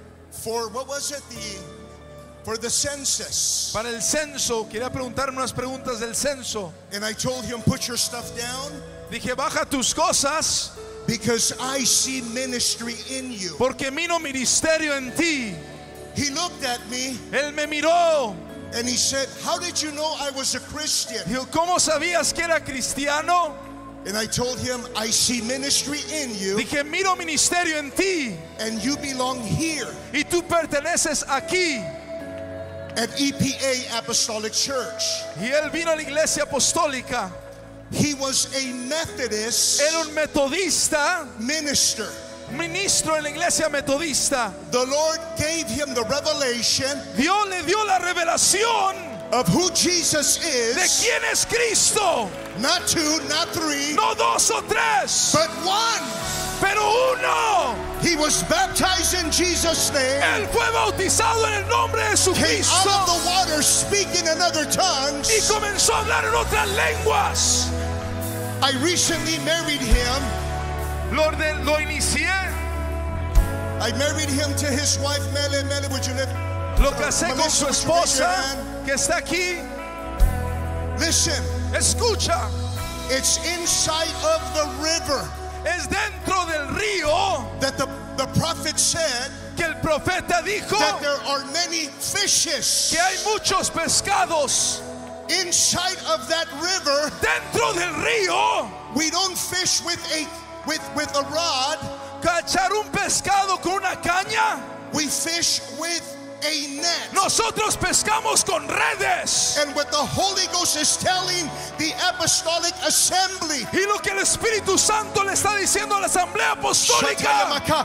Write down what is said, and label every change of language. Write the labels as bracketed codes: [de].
[en] for what was it, the for the census. [es] Para el censo, quería preguntarme unas preguntas del censo. [en] And I told him, put your stuff down. [es] Dije, baja tus cosas. [en] Because I see ministry in you. [es] Porque miro ministerio en ti. [en] He looked at me. [es] Él me miró. [en] And he said, how did you know I was a Christian? [es] Dijo, ¿cómo sabías que era cristiano? [en] And I told him, I see ministry in you. [es] Dije, miro ministerio en ti. [en] And you belong here. [es] Y tú perteneces aquí. [en] At EPA Apostolic Church. [es] Y él vino a la iglesia apostólica. [en] He was a Methodist. [es] Era un metodista. [en] Minister. [es] Ministro en la iglesia metodista. [en] The Lord gave him the revelation. [es] Dios le dio la revelación. [en] Of who Jesus is. [es] De quién es Cristo. [en] Not two, not three. [es] No dos o tres. [en] But one. [es] Pero uno. [en] He was baptized in Jesus' name. [es] Él fue bautizado en el nombre de Jesucristo. [en] Came out of the water speaking in other tongues. [es] Y comenzó a hablar en otras lenguas. [en] I recently married him. [es] Lo inicié. [en] I married him to his wife Mele. Mele, would you live? [es] Lo casé con su esposa que está aquí. [en] Listen. [es] Escucha. [en] It's inside of the river. [es] Es dentro del río. [en] That the prophet said. [es] Que el profeta dijo. [en] That there are many fishes. [es] Que hay muchos pescados. [en] Inside of that river. [es] Dentro del río. [en] We don't fish with a rod. [es] Cachar un pescado con una caña. [en] We fish with a net. [es] Nosotros pescamos con redes. [en] And what the Holy Ghost is telling the Apostolic Assembly. [es] Y lo que el Espíritu Santo le está diciendo a la Asamblea Apostólica.